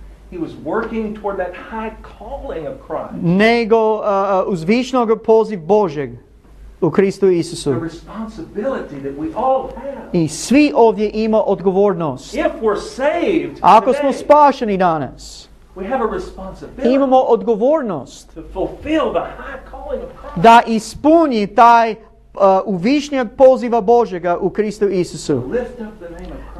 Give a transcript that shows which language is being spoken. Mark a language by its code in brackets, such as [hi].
[en] He was working toward that high calling of Christ. [hr] Nego uzvišnog poziv Božeg u Kristu Isusu. [en] The responsibility that we all have. [hr] I svi ovdje ima odgovornost. [en] If we're saved [hr] today, ako smo spašeni danas, [en] we have a responsibility. [hr] Imamo odgovornost [en] to fulfill the high calling of Christ. [hr] Da ispuni taj uvišnjeg poziva Božega u Kristu Isusu. [en] Lift up the name of Christ.